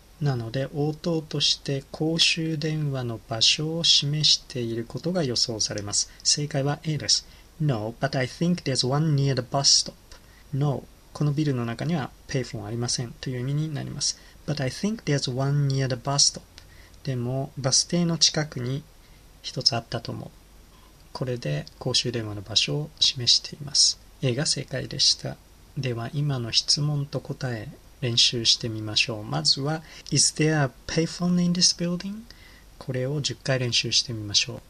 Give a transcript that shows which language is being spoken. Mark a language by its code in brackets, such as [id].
[ja] なので、応答として公衆電話の場所を示していることが予想されます。正解は A です。 [en] No, but I think there's one near the bus stop. [ja] No, このビルの中には payphone ありませんという意味になります。 [en] But I think there's one near the bus stop. [ja] でも、バス停の近くに一つあったと思う。これで公衆電話の場所を示しています。A が正解でした。では今の質問と答え練習してみましょう。まずは [en] Is there a payphone in this building? [ja] これを10回練習してみましょう。